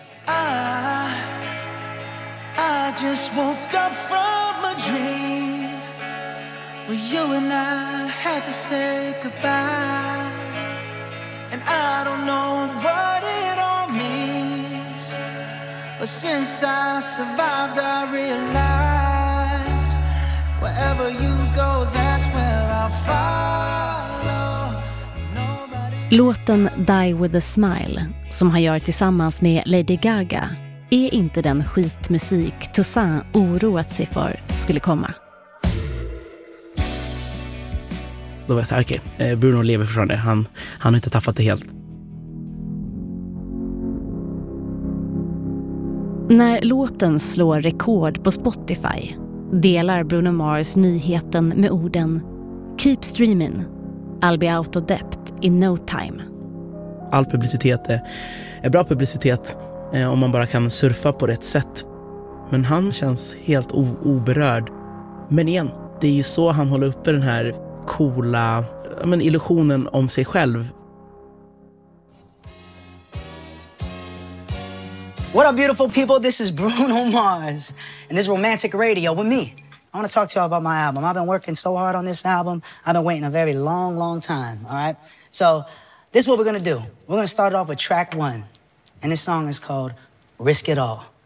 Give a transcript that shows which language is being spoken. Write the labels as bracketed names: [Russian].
[English] I just woke up from a dream where you and I had to say goodbye. And I don't know what it all means, but since I survived I realized wherever you go, that's where I follow. [Swedish] Låten Die With A Smile, som han gör tillsammans med Lady Gaga, är inte den skitmusik Toussaint oroat sig för skulle komma. Då var jag så här, okej, Bruno lever fortfarande. Han har inte tappat det helt. När låten slår rekord på Spotify delar Bruno Mars nyheten med orden [English] "Keep streaming, I'll be out of debt in no time." [Swedish] All publicitet är bra publicitet om man bara kan surfa på rätt sätt. Men han känns helt oberörd. Men igen, det är ju så han håller uppe den här coola illusionen om sig själv. [English] What up, beautiful people? This is Bruno Mars, and this is Romantic Radio with me. I want to talk to y'all about my album. I've been working so hard on this album. I've been waiting a very long, long time, all right? So this is what we're going to do. We're going to start it off with track one, and this song is called Risk It All.